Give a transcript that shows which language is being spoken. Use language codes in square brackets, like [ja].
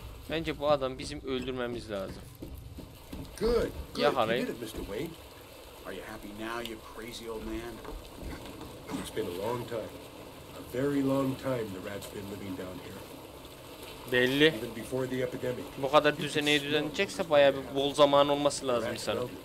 [tr] Bence bu adam bizim öldürmemiz lazım. [en] Good. Good. Yeah, honey. You did it, Mr. Wade. Are you happy now, you crazy old man? It's been a long time. A very long time the rat's been living down here. [tr] Belli. [en] Even before the epidemic. [tr] Bu kadar düzeneyi düzenleyecekse bayağı bir bol zaman olması lazım sana.